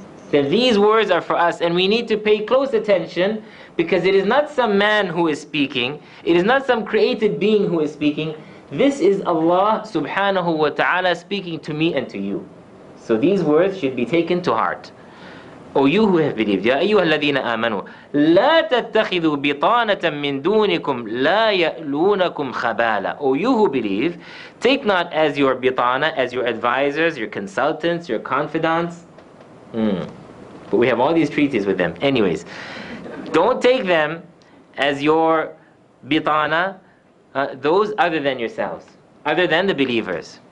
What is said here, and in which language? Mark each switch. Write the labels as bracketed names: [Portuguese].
[English] Then these words are for us, and we need to pay close attention, because it is not some man who is speaking, it is not some created being who is speaking. This is Allah subhanahu wa ta'ala speaking to me and to you. So these words should be taken to heart. O you who have believed, [Arabic] Ya أيها الذين آمنوا لا تتخذوا بطانة من دونكم لا يألونكم خبالا. [English] O you who believe, take not as your bitana, as your advisors, your consultants, your confidants. But we have all these treaties with them. Anyways, don't take them as your bitana, those other than yourselves, other than the believers.